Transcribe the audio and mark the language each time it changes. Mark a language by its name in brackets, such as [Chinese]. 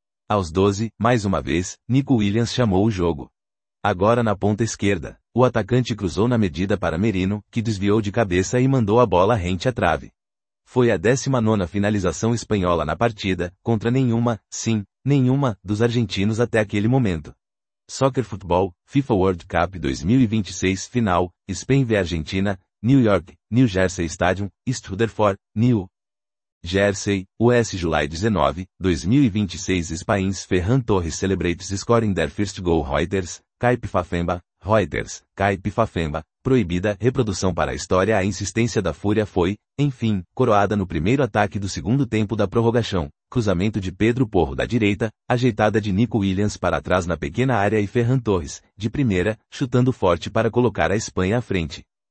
[Portuguese] Aos 12, mais uma vez, Nico Williams chamou o jogo. Agora na ponta esquerda, o atacante cruzou na medida para Merino, que desviou de cabeça e mandou a bola rente à trave. Foi a 19ª finalização espanhola na partida, contra nenhuma, sim, nenhuma, dos argentinos até aquele momento. [English] Soccer Futebol, FIFA World Cup 2026 Final, Spain v Argentina, New York, New Jersey Stadium, Stutterford, New Jersey, US July 19, 2026 Spain's Ferran Torres celebrates scoring their first goal. Reuters, Caipe Fafemba, Reuters, Caipe Fafemba. [Portuguese] Proibida reprodução para a história. A insistência da Fúria foi, enfim, coroada no primeiro ataque do segundo tempo da prorrogação. Cruzamento de Pedro Porro da direita, ajeitada de Nico Williams para trás na pequena área e Ferran Torres, de primeira, chutando forte para colocar a Espanha à frente.